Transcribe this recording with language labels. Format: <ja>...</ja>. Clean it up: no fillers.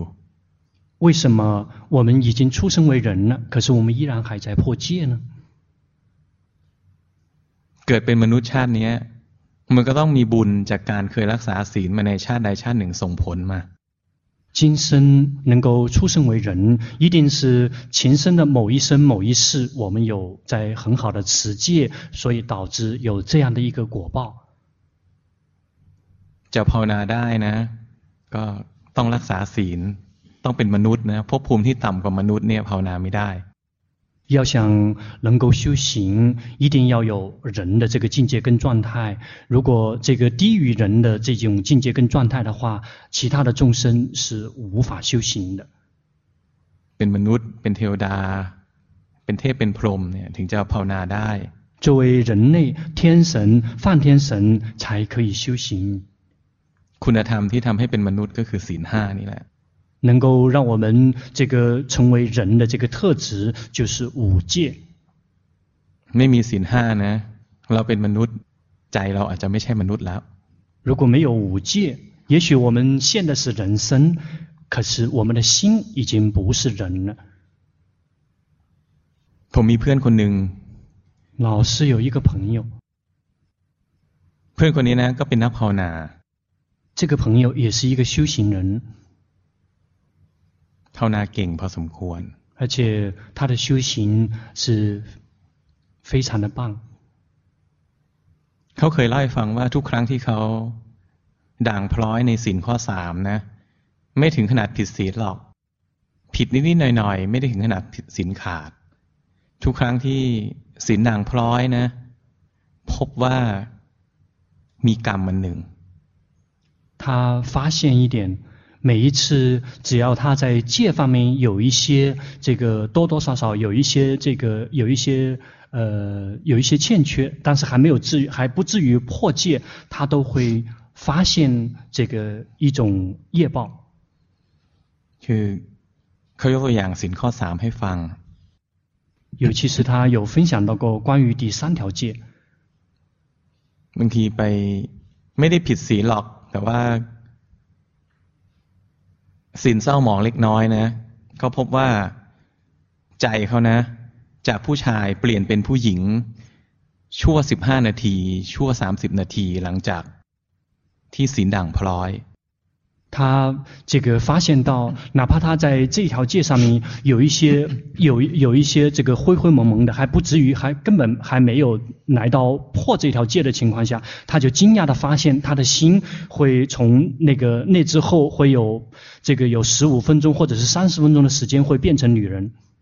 <zh>为什么我们已经出生为人了可是我们依然还在破戒呢</zh> <th>เกิดเป็นมนุษย์ชาตินี้มันก็ต้องมีบุญจากการเคยรักษาศีลมาในชาติใดชาติหนึ่งส่งผลมา</th> <zh>今生能够出生为人一定是前生的某一生某一世我们有在很好的持戒所以导致有这样的一个果报</zh> <th>จะภาวนาได้นะก็ต้องรักษาศีลต้องเป็นมนุษย์นะภพภูมิที่ต่ำกว่ามนุษย์เนี่ยภาวนาไม่ได้</th> <zh>要想能够修行一定要有人的这个境界跟状态如果这个低于人的这种境界跟状态的话其他的众生是无法修行的</zh> <th>เป็นมนุษย์เป็นเทวดาเป็นเทพเป็นพรหมเนี่ยถึงจะภาวนาได้</th> <zh>作为人类天神梵天神才可以修行</zh> <th>คุณธรรมที่ทำให้เป็นมนุษย์ก็คือศีล5นี่แหละ</th> <zh>能够让我们这个成为人的这个特质就是五戒</zh> <th>ไม่มีศีล5นะเราเป็นมนุษย์ใจเราอาจจะไม่ใช่มนุษย์แล้ว</th> <zh>如果没有五戒也许我们现的是人身可是我们的心已经不是人了</zh> <th>ผมมีเพื่อนคนหนึ่ง</th> <zh>老师有一个朋友</zh> <th>เพื่อนคนนี้นะก็เป็นนักภาวนา</th> <zh>这个朋友也是一个修行人</zh> <th>ภาวนาเก่งพอสมควร</th> <zh>而且他的修行是非常的棒</zh> <th>เขาเคยเล่าให้ฟังว่าทุกครั้งที่เขาด่างพร้อยในศีลข้อ3นะไม่ถึงขนาดผิดศีลหรอกผิดนิดๆหน่อยๆไม่ได้ถึงขนาดผิดศีลขาดทุกครั้งที่ศีลด่างพร้อยนะพบว่ามีกรรมมันหนึ่ง</th> <zh>他发现一点每一次只要他在戒方面有一些这个多多少少有一些这个有一些有一些欠缺但是还没有至于还不至于破戒他都会发现这个一种业报</zh> <th>คือเขายกตัวอย่างศีลข้อ3ให้ฟัง</th> <zh>尤其是他有分享到过关于第三条戒</zh> <th>บางทีไปไม่ได้ผิดศีลหรอกแต่ว่าศีลเศร้าหมองเล็กน้อยนะเขาพบว่าใจเขานะจากผู้ชายเปลี่ยนเป็นผู้หญิงชั่ว15นาทีชั่ว30นาทีหลังจากที่ศีลด่างพร้อย</th> <zh>他这个发现到哪怕他在这条戒上面有一些有一些这个灰灰蒙蒙的还不至于还根本还没有来到破这条戒的情况下他就惊讶地发现他的心会从那个那之后会有这个有15分钟或者是30分钟的时间会变成女人</zh>